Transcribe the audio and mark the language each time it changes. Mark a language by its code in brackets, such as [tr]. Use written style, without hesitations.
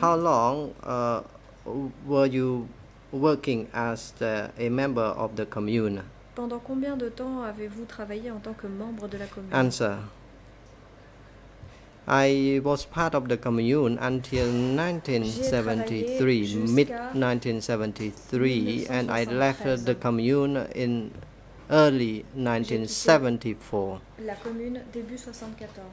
[en] How long were you working as a member of the commune? [fr] Pendant combien de temps avez-vous travaillé en tant que membre de la commune? [en] Answer. I was part of the commune until 1973, mid-1973, and I left the commune in early 1974. [fr] La commune début 74.